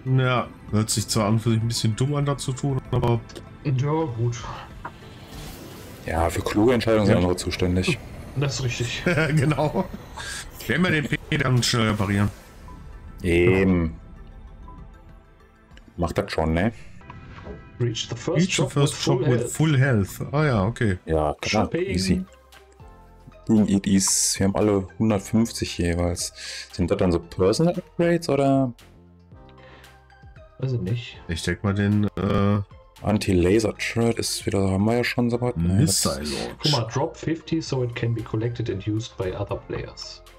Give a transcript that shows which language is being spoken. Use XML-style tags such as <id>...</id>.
<de>Ja, hört sich zwar an für sich ein bisschen dumm an, dazu tun, aber. Ja, gut. Ja, für kluge Entscheidungen sind andere zuständig. Das ist richtig. Genau. Wenn wir den P dann schnell reparieren. Eben. Macht das schon, ne?</de> <en>Reach the first, Reach the first shop with full health.</en> <de>Ah ja, okay. Ja, klar. Easy.</de> <en>Boom, it is.</en> <de>Wir haben alle 150 jeweils. Sind das dann so Personal Upgrades oder? Weiß ich nicht. Ich denke mal den, Anti-Laser-Shirt ist wieder, haben wir ja schon so was.</de> <en>Missile Launch.</en> <de>Guck mal,</de> <en>drop 50 so it can be collected and used by other players.</en>